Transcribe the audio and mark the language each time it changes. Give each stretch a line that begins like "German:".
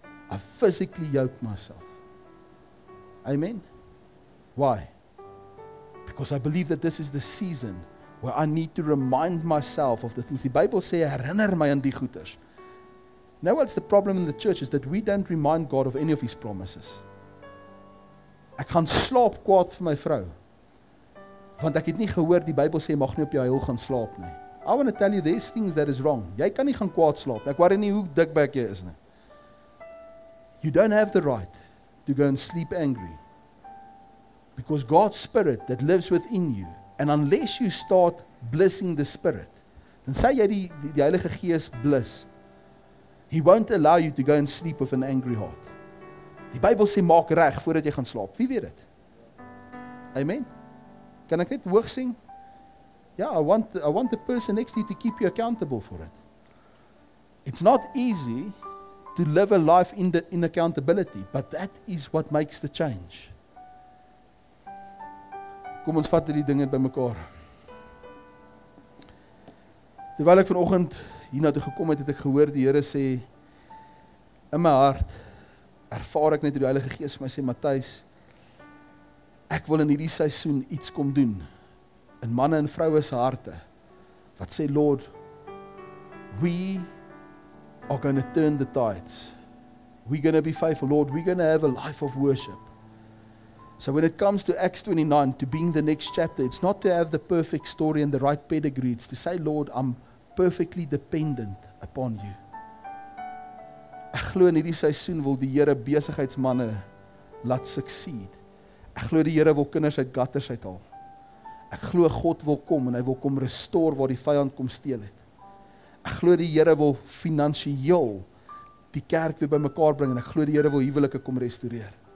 English: I physically yoked myself. Amen. Why? Because I believe that this is the season where I need to remind myself of the things. The Bible says,
Afrikaans: herinner my aan die goeders.
English: Now what's the problem in the church is that we don't remind God of any of His promises.
Afrikaans: Ek gaan slaap kwaad vir my vrou. Want ek het nie gehoor die Bybel sê mag nie op jou huil gaan slaap nie.
English: I want to tell you these things that is wrong.
Afrikaans: Jy kan nie gaan kwaad slaap nie. Ek weet nie hoe dik bek jy is nie.
English: You don't have the right to go and sleep angry. Because God's spirit that lives within you, and unless you start blessing the spirit,
Afrikaans: dan sê jy die Heilige Gees
English: bless, He won't allow you to go and sleep with an angry heart.
Afrikaans: Die Bybel sê maak reg voordat jy gaan slaap. Wie weet dit? Amen. Kan ek net hoog sing?
English: Ja, I want the person next to you to keep you accountable for it. It's not easy to live a life in accountability, but that is what makes the change.
Afrikaans: Kom ons vat hierdie dinge by mekaar. Terwyl ek vanoggend hiernatoe gekom het, het ek gehoor die Here sê in my hart, ervaar ek net hoe die Heilige Gees vir my sê, Matthys, ek wil in hierdie seisoen iets kom doen in manne en vroue se harte wat sê,
English: Lord, we are going to turn the tides. We're going to be faithful, Lord. We're going to have a life of worship. So when it comes to Acts 29, to being the next chapter, it's not to have the perfect story and the right pedigree. It's to say, Lord, I'm perfectly dependent upon you.
Afrikaans: Ek glo in hierdie seisoen wil die Here besigheidsmanne laat succeed. Ek glo die Here wil kinders uit gutters uithaal. Ek glo God wil kom en hy wil kom restore waar die vyand kom steel het. Ek glo die Here wil finansiëel die kerk weer by mekaar bring en ek glo die Here wil huwelike kom restoreer.